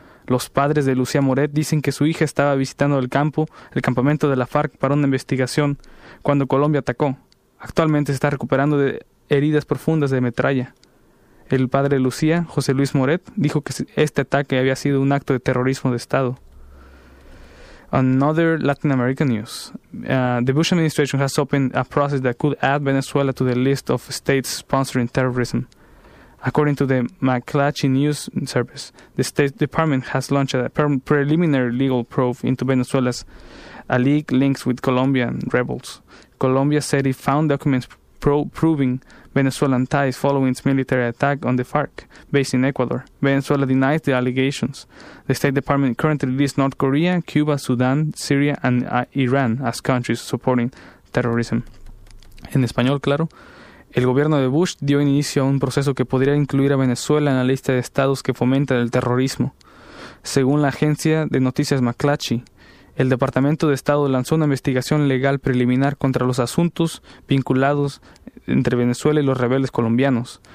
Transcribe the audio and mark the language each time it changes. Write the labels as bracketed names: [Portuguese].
[Spanish] Los padres de Lucía Moret dicen que su hija estaba visitando el campamento de la FARC para una investigación cuando Colombia atacó. Actualmente se está recuperando de heridas profundas de metralla. El padre de Lucía, José Luis Moret, dijo que este ataque había sido un acto de terrorismo de Estado. [English] Another Latin American news. The Bush administration has opened a process that could add Venezuela to the list of states sponsoring terrorism. According to the McClatchy News Service, the State Department has launched a preliminary legal probe into Venezuela's alleged links with Colombian rebels. Colombia said it found documents proving Venezuelan ties following its military attack on the FARC based in Ecuador. Venezuela denies the allegations. The State Department currently lists North Korea, Cuba, Sudan, Syria, and Iran as countries supporting terrorism. [Spanish] En español, claro, el gobierno de Bush dio inicio a un proceso que podría incluir a Venezuela en la lista de estados que fomentan el terrorismo. Según la agencia de noticias McClatchy, el Departamento de Estado lanzó una investigación legal preliminar contra los asuntos vinculados entre Venezuela y los rebeldes colombianos.